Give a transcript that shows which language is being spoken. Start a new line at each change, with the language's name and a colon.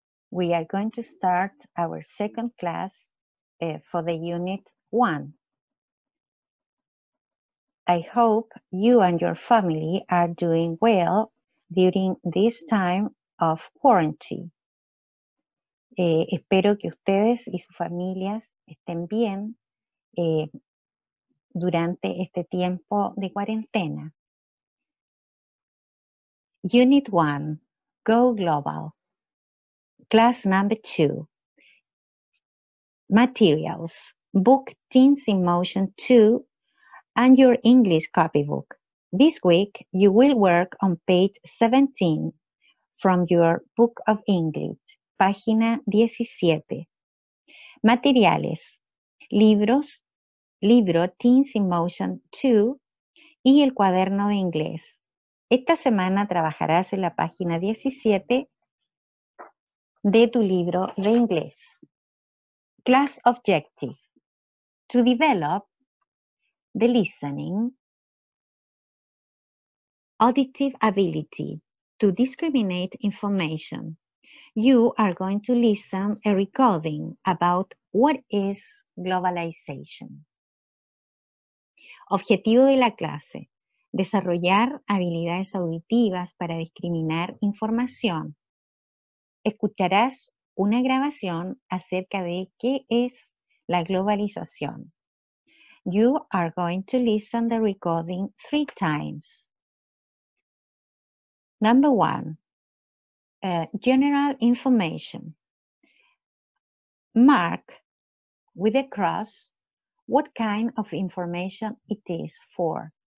English: We are going to start our second class for the unit one. I hope you and your family are doing well during this time of quarantine.
Spanish: Espero que ustedes y sus familias estén bien durante este tiempo de cuarentena.
English: Unit 1, Go Global. Class number 2. Materials, book Teens in Motion 2 and your English copybook. This week, you will work on page 17 from your book of English,
Spanish: página 17. Materiales, libros, libro Teens in Motion 2 y el cuaderno de inglés. Esta semana trabajarás en la página 17 de tu libro de inglés.
English: Class objective. To develop the listening auditive ability to discriminate information. You are going to listen a recording about what is globalization.
Spanish: Objetivo de la clase. Desarrollar habilidades auditivas para discriminar información. Escucharás una grabación acerca de qué es la globalización.
English: You are going to listen the recording 3 times. Number 1. General information. Mark with a cross what kind of information it is for.